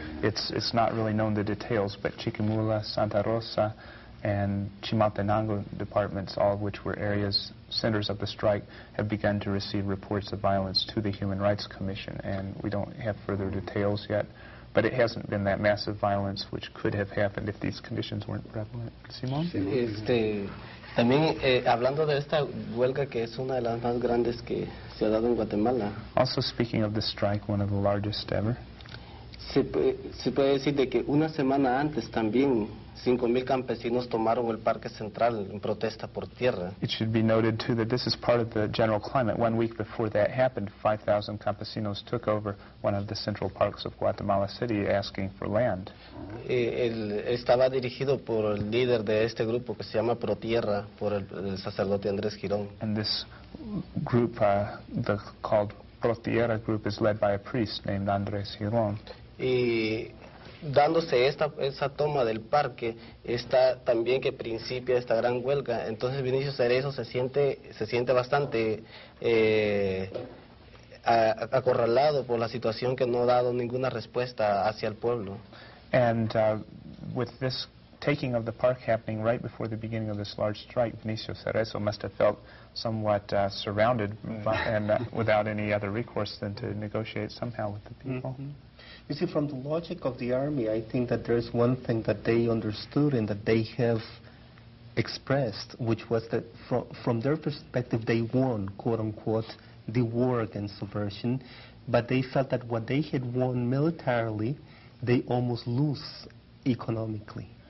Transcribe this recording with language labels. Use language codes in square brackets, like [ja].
[en] It's not really known the details, but Chiquimula, Santa Rosa, and Chimaltenango departments, all of which were areas, centers of the strike, have begun to receive reports of violence to the Human Rights Commission, and we don't have further details yet. But it hasn't been that massive violence which could have happened if these conditions weren't prevalent. Simon? [es] También hablando de esta huelga, que es una de las más grandes que se ha dado en Guatemala. [en] Also speaking of the strike, one of the largest ever. [es] Se puede decir de que una semana antes también 5,000 campesinos tomaron el parque central en protesta por tierra. [en] It should be noted too that this is part of the general climate. 1 week before that happened, 5,000 campesinos took over one of the central parks of Guatemala City asking for land. [es] Estaba dirigido por el líder de este grupo que se llama Pro Tierra, por el sacerdote Andrés Girón. [en] And this group, the called Pro Tierra group, is led by a priest named Andrés Girón. [es] Y dándose esa toma del parque, está también que principia esta gran huelga. Entonces Vinicio Cerezo se siente bastante acorralado por la situación, que no ha dado ninguna respuesta hacia el pueblo. [en] And with this taking of the park happening right before the beginning of this large strike, Vinicio Cerezo must have felt somewhat surrounded without any other recourse than to negotiate somehow with the people. Mm-hmm. You see, from the logic of the army, I think that there's one thing that they understood and that they have expressed, which was that from their perspective, they won, quote-unquote, the war against subversion, but they felt that what they had won militarily, they almost lose economically.